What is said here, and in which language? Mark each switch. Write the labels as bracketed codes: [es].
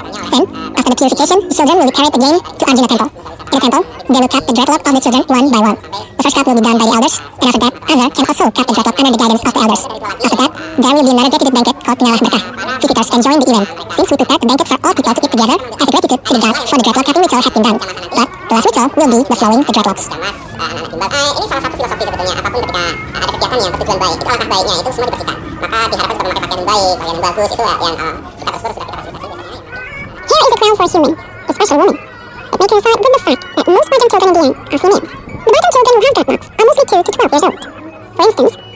[en] Then, after the purification, the children will be carried again to Arjuna Temple. In the temple, they will cut the dreadlock of the children one by one. The first cut will be done by the elders, and after that, Anger can also cut the dreadlock under the guidance of the elders. After that, there will be another gratitude banquet called Ngalah Bakah. Visitors can join the event, since we prepared the banquet for all people to eat together as a gratitude to the god for the dreadlock cutting ritual has been done. But the last ritual will be the flowing the dreadlocks. [id] Ini salah satu filosofi sebetulnya, apapun ketika ada kegiatan yang bertujuan baik, itu alangkah baiknya, itu semua dipersihkan. Maka diharapkan kita memakai pakaian yang baik, pakaian yang bagus, itu yang kita bersyukur sudah kita persihkan. [en] Here is a crown for human, a special woman. It makes us sad with the fact that most virgin children in the end are female. The virgin children who have dreadlocks are mostly 2 to 12 years old. For instance,